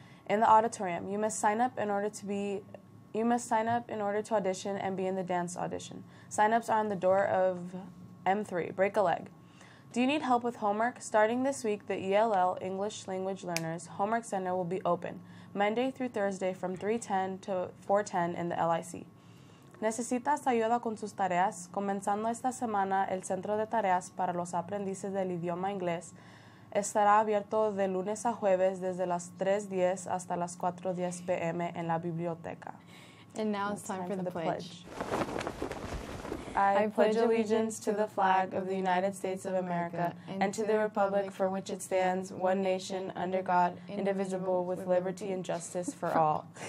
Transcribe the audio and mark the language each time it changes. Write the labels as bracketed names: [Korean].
[English] In the auditorium, you must sign up in order to audition and be in the dance audition. Sign-ups are on the door of M3. Break a leg. Do you need help with homework? Starting this week, the ELL English Language Learners Homework Center will be open Monday through Thursday from 3:10 to 4:10 in the LIC. [Spanish] ¿Necesitas ayuda con tus tareas? Comenzando esta semana, el Centro de Tareas para los Aprendices del Idioma Inglés Estará abierto de lunes a jueves desde las 3:10 hasta las 4:10 p.m. en la biblioteca. [English] And now it's time for the pledge. I pledge allegiance to the flag of the United States of America and to the republic for which it stands, one nation, under God, indivisible, with liberty and justice for all.